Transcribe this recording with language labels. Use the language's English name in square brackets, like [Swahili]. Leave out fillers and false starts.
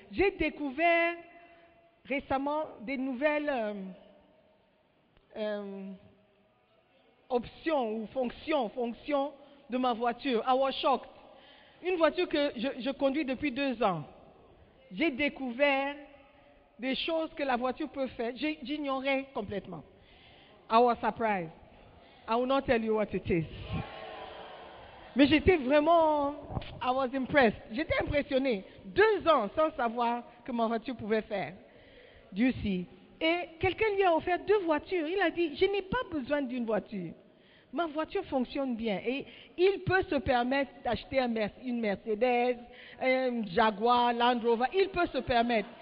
[French] J'ai découvert récemment des nouvelles options ou fonctions de ma voiture. [English] I was shocked. [French] Une voiture que je conduis depuis 2 ans. J'ai découvert des choses que la voiture peut faire, j'ignorais complètement. [English] I was surprised. I will not tell you what it is. [French] Mais j'étais vraiment, [English] I was impressed. [French] J'étais impressionnée. 2 ans sans savoir que ma voiture pouvait faire. [English] Do you see? [French] Et quelqu'un lui a offert 2 voitures. Il a dit, je n'ai pas besoin d'une voiture. Ma voiture fonctionne bien. Et il peut se permettre d'acheter une Mercedes, un Jaguar, Land Rover. Il peut se permettre.